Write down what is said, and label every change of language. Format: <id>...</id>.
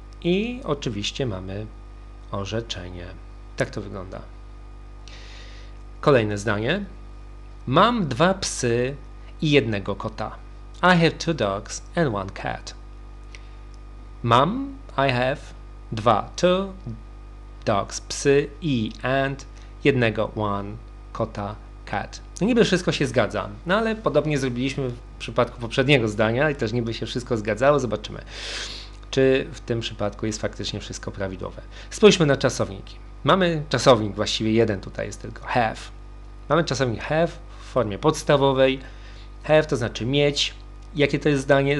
<pl>i oczywiście mamy orzeczenie. Tak to wygląda. Kolejne zdanie. Mam dwa psy i jednego kota.</pl> <en>I have two dogs and one cat. Mam, I have, dwa, two dogs,</en> <pl>psy i,</pl> <en>and, jednego, one, kota, cat.</en> <pl>No niby wszystko się zgadza, no ale podobnie zrobiliśmy w przypadku poprzedniego zdania i też niby się wszystko zgadzało, zobaczymy, czy w tym przypadku jest faktycznie wszystko prawidłowe. Spójrzmy na czasowniki. Mamy czasownik, właściwie jeden tutaj jest tylko, have. Mamy czasownik have w formie podstawowej. Have to znaczy mieć. Jakie to jest zdanie?</pl>